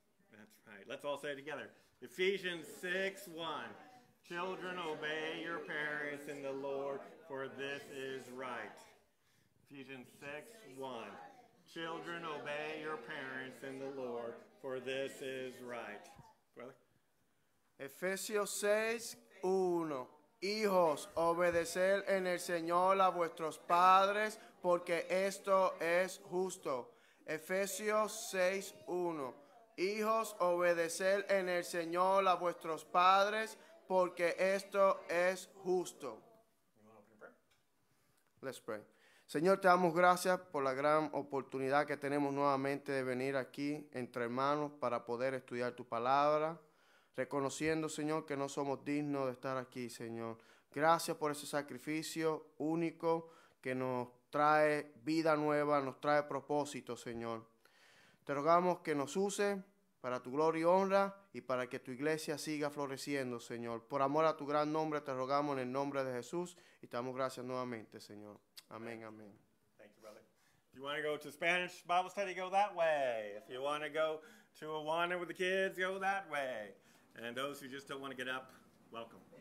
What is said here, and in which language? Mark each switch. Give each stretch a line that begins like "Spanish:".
English: That's right. Let's all say it together. Ephesians 6:1. Children, obey your parents in the Lord, for this is right. Ephesians 6:1. Children, obey your parents in the Lord, for this is right. Brother? Ephesians 6:1.
Spanish: Hijos, obedeced en el Señor a vuestros padres, porque esto es justo. Ephesians 6:1. Hijos, obedeced en el Señor a vuestros padres, porque esto es justo.
English: Let's pray.
Spanish: Señor, te damos gracias por la gran oportunidad que tenemos nuevamente de venir aquí entre hermanos para poder estudiar tu palabra, reconociendo, Señor, que no somos dignos de estar aquí, Señor. Gracias por ese sacrificio único que nos trae vida nueva, nos trae propósito, Señor. Te rogamos que nos use para tu gloria y honra y para que tu iglesia siga floreciendo, Señor. Por amor a tu gran nombre, te rogamos en el nombre de Jesús y te damos gracias nuevamente, Señor. Amén, amén.
English: Thank you, brother. If you want to go to Spanish Bible study, go that way. If you want to go to Awana with the kids, go that way. And those who just don't want to get up, welcome.